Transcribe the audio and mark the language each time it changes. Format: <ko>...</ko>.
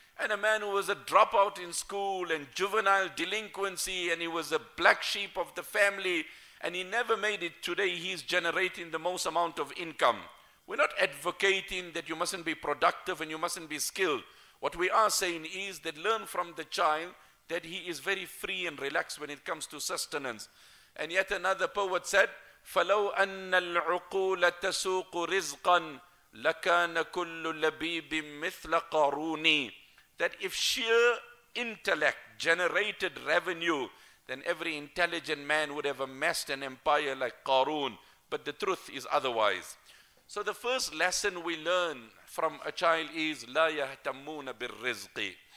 <en>And a man who was a dropout in school and juvenile delinquency, and he was a black sheep of the family, and he never made it. Today, he's generating the most amount of income. We're not advocating that you mustn't be productive and you mustn't be skilled. What we are saying is that learn from the child that he is very free and relaxed when it comes to sustenance. And yet another poet said,</en> <ar>فَلَوْ أَنَّ الْعُقُولَ تَسُوقُ رِزْقًا لَكَانَ كُلُّ لَبِيبٍ مِثْلَ قَارُونِ.</ar> <en>That if sheer intellect generated revenue, then every intelligent man would have amassed an empire like Qarun. But the truth is otherwise. So the first lesson we learn from a child is,</en> <ar>لَا يَهْتَمُّونَ بِالرِّزْقِ.</ar>